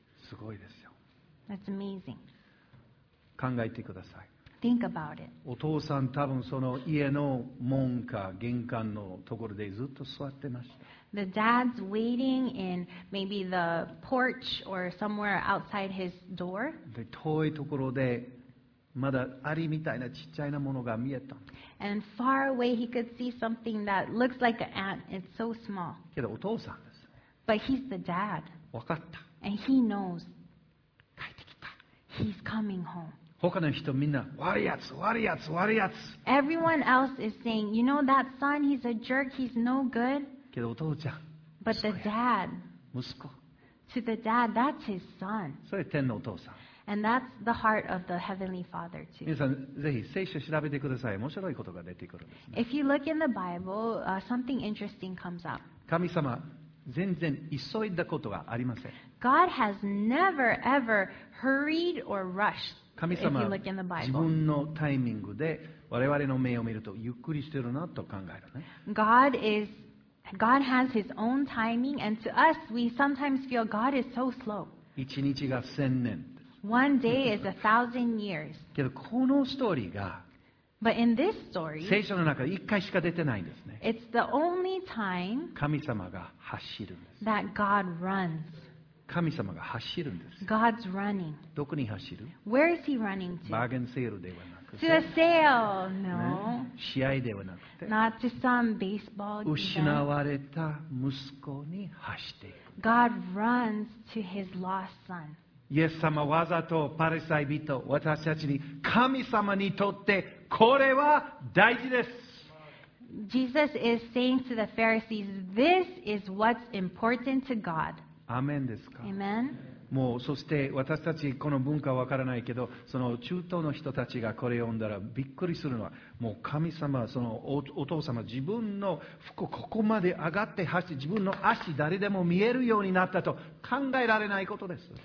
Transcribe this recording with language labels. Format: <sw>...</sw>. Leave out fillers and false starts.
<ja>すごいですよ。</ja> <en>That's amazing.</en> <ja>考えてください。</ja> <en>Think about it.</en> <ja>お父さん多分その家の門か玄関のところでずっと座ってました。</ja> <en>The dad's waiting in maybe the porch or somewhere outside his door.</en> <ja>で、遠いところでまだアリみたいなちっちゃいなものが見えた。</ja> <en>And far away he could see something that looks like an ant. It's so small.</en> <ja>けどお父さんです。</ja> <en>But he's the dad.</en> <ja>わかった。</ja> <en>And he knows.</en> <ja>帰ってきた。</ja> <en>He's coming home.</en> <ja>他の人みんな悪いやつ、悪いやつ、悪いやつ。</ja> <en>Everyone else is saying, you know that son, he's a jerk, he's no good.</en> <ja>けどお父ちゃん、</ja> <en>But the dad,</en> <ja>息子、</ja> <en>to the dad, that's his son.</en> <ja>それ天のお父さん。</ja> <en>And that's the heart of the heavenly father too.</en> <ja>皆さんぜひ聖書調べてください。面白いことが出てくるんですね。</ja> <en>If you look in the Bible, something interesting comes up.</en> <ja>神様、全然急いだことがありません。</ja> <en>God has never ever hurried or rushed.</en> <ja>神様、</ja> <en>if you look in the Bible.</en> <ja>自分のタイミングで我々の目を見るとゆっくりしてるなと考えるね。</ja> <en>God is God has His own timing, and to us, we sometimes feel God is so slow.</en> <ja>一日が千年。</ja> <en>One day is a thousand years.</en> <ja>けどこのストーリーが、</ja> <en>But in this story,</en> <ja>聖書の中で一回しか出てないんですね。</ja> <en>It's the only time</en> <ja>神様が走るんです。</ja> <en>That God runs.</en> <ja>神様が走るんです。</ja> <en>God's running.</en> <ja>どこに走る？</ja> <en>Where is He running to?</en> <ja>バーゲンセールではない。</ja> <en>To a sale, no.</en> <ja>試合ではなくて、</ja> <en>not to some baseball game.</en> <ja>失われた息子に走っていく。</ja> <en>God runs to His lost son.</en> <ja>イエス様わざとパリサイ人、私たちに神様にとってこれは大事です。</ja> <en>Jesus is saying to the Pharisees, "This is what's important to God."</en> <ja>アメンですか。</ja> <en>Amen.</en> <ja>もうそして私たちこの文化はわからないけど、その中東の人たちがこれを読んだらびっくりするのは、もう神様、その お父様、自分の服ここまで上がって走って、自分の足誰でも見えるようになったと考えられないことです。</ja>